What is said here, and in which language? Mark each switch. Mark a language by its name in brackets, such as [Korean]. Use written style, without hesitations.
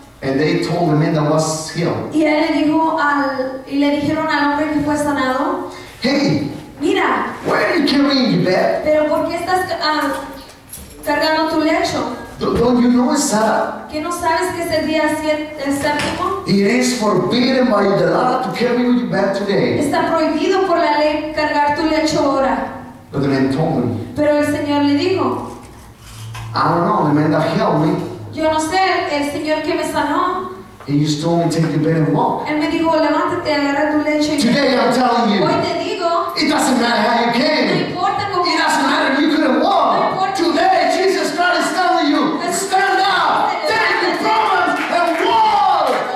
[English] And they told the man that was healed. [Spanish] Y él le dijo al y le dijeron al hombre que fue sanado. [English] Hey. [Spanish] Mira. [English] Why are you carrying your bed? [Spanish] Pero ¿por qué estás cargando tu lecho? [English] Don't you know it's Sabbath? [Spanish] ¿Qué no sabes que es el día séptimo? [English] It is forbidden by the law to carry your bed today. [Spanish] Está prohibido por la ley cargar tu lecho ahora. [English] But the man told me. [Spanish] Pero el señor le dijo. [English] I don't know. The man that healed me. [Spanish] Yo no sé, el Señor que me sanó. [English] And you told me take your bed and walk. [Spanish] Él me dijo, levántate, agarra tu leche. [English] Today I'm telling you. [Spanish] Hoy te digo. [English] It doesn't matter how you came. [Spanish] No importa cómo. [English] It doesn't matter if you couldn't walk. [Spanish] No importa. [English] Today Jesus Christ is telling you, stand up, take your problems and walk.